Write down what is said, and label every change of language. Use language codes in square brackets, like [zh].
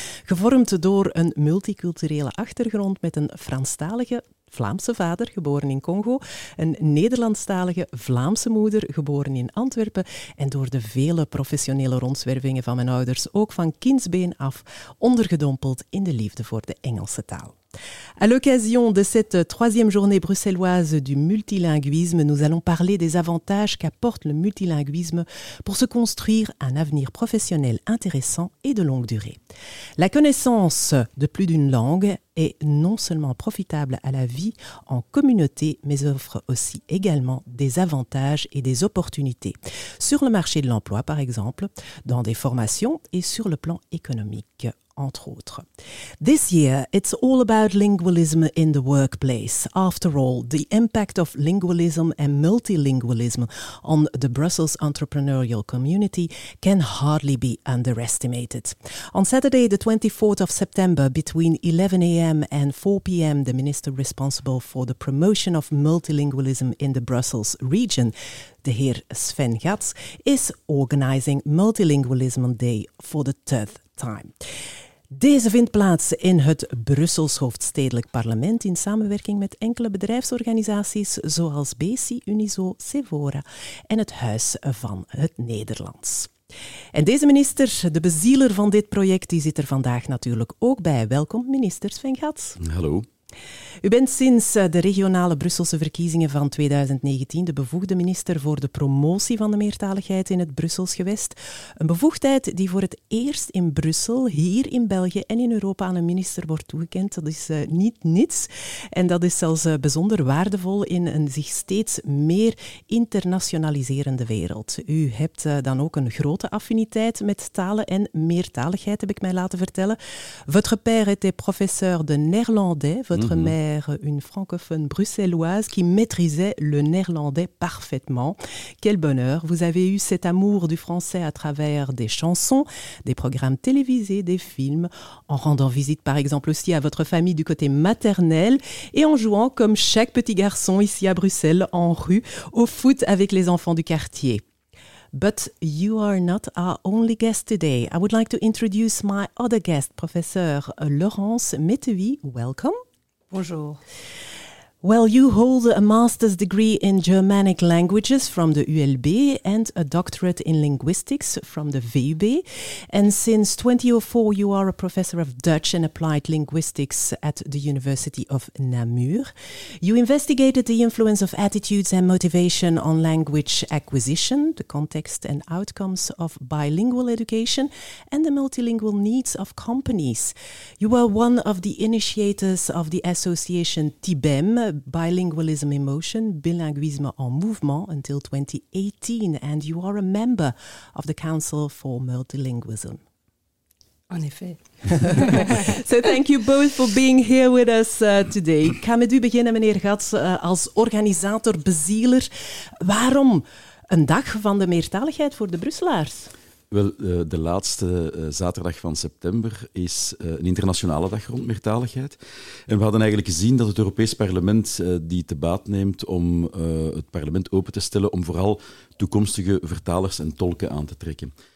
[nl] Gevormd door een multiculturele achtergrond met een Franstalige Vlaamse vader, geboren in Congo, een Nederlandstalige Vlaamse moeder, geboren in Antwerpen, en door de vele professionele rondzwervingen van mijn ouders, ook van kindsbeen af, ondergedompeld in de liefde voor de Engelse taal. [fr] À l'occasion de cette troisième journée bruxelloise du multilinguisme, nous allons parler des avantages qu'apporte le multilinguisme pour se construire un avenir professionnel intéressant et de longue durée. La connaissance de plus d'une langue est non seulement profitable à la vie en communauté, mais offre aussi également des avantages et des opportunités sur le marché de l'emploi, par exemple, dans des formations et sur le plan économique. Entre autres. [en] This year, it's all about lingualism in the workplace. After all, the impact of lingualism and multilingualism on the Brussels entrepreneurial community can hardly be underestimated. On Saturday, the 24th of September, between 11 a.m. and 4 p.m, the minister responsible for the promotion of multilingualism in the Brussels region, [nl] de heer [en] Sven Gats, is organizing Multilingualism Day for the third time. [nl] Deze vindt plaats in het Brussels hoofdstedelijk parlement in samenwerking met enkele bedrijfsorganisaties zoals BC, Unizo, Sevora en het Huis van het Nederlands. En deze minister, de bezieler van dit project, die zit er vandaag natuurlijk ook bij. Welkom, minister Sven Gats. Hallo. U bent sinds de regionale Brusselse verkiezingen van 2019 de bevoegde minister voor de promotie van de meertaligheid in het Brussels gewest. Een bevoegdheid die voor het eerst in Brussel, hier in België en in Europa aan een minister wordt toegekend. Dat is niet niets en dat is zelfs bijzonder waardevol in een zich steeds meer internationaliserende wereld. U hebt dan ook een grote affiniteit met talen en meertaligheid, heb ik mij laten vertellen. [fr] Votre père était professeur de néerlandais. Votre mère, une francophone bruxelloise qui maîtrisait le néerlandais parfaitement. Quel bonheur! Vous avez eu cet amour du français à travers des chansons, des programmes télévisés, des films, en rendant visite par exemple aussi à votre famille du côté maternel et en jouant comme chaque petit garçon ici à Bruxelles en rue au foot avec les enfants du quartier. [en] But you are not our only guest today. I would like to introduce my other guest, Professor Laurence Metewy. Welcome. [fr] Bonjour. [en] Well, you hold a master's degree in Germanic languages from the ULB and a doctorate in linguistics from the VUB. And since 2004, you are a professor of Dutch and applied linguistics at the University of Namur. You investigated the influence of attitudes and motivation on language acquisition, the context and outcomes of bilingual education, and the multilingual needs of companies. You were one of the initiators of the association TIBEM, Bilingualism in Motion, [fr] Bilinguisme en Mouvement, [en] until 2018, and you are a member of the Council for Multilingualism. [fr] En effet. [en] So thank you both for being here with us today. [nl] Ik ga met u beginnen, meneer Gats, als organisator, bezieler. Waarom een dag van de meertaligheid voor de Brusselaars? Wel, de laatste zaterdag van september is een internationale dag rond meertaligheid. En we hadden eigenlijk gezien dat het Europees Parlement die te baat neemt om het parlement open te stellen om vooral toekomstige vertalers en tolken aan te trekken.